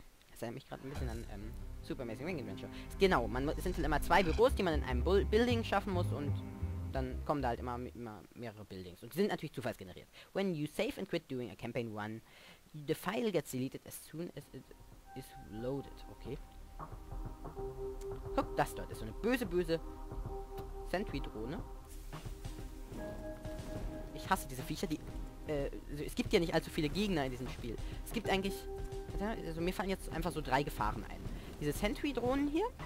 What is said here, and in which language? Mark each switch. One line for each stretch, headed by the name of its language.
German: Das erinnert mich gerade ein bisschen an Super Amazing Ring Adventure. Genau, es sind halt immer zwei Büros, die man in einem Building schaffen muss und dann kommen da halt immer mehrere Buildings. Und die sind natürlich zufallsgeneriert.
English: When you save and quit doing a campaign run, the file gets deleted as soon as it is loaded. Okay.
German: Guck, das dort ist so eine böse Sentry-Drohne. Ich hasse diese Viecher, die... Also es gibt ja nicht allzu viele Gegner in diesem Spiel. Es gibt eigentlich... Also mir fallen jetzt einfach so drei Gefahren ein. Diese Sentry-Drohnen hier.